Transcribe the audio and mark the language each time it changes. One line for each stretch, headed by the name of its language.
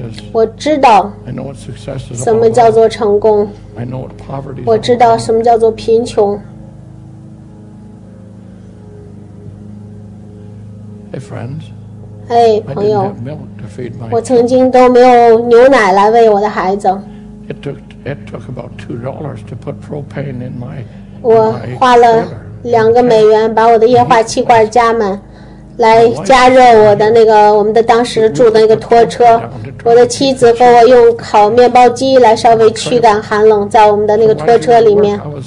Chinese: 我知道什么叫做成功，我知道什么叫做贫穷。哎，朋友，我曾经都没有牛奶来喂我的孩子。
English: It took about $2 to put propane in my.
Chinese: 我花了$2把我的液化气罐加满，来加热我的那个我们的当时住的那个拖车。我的妻子和我用烤面包机来稍微驱赶寒冷，在我们的那个拖车里面。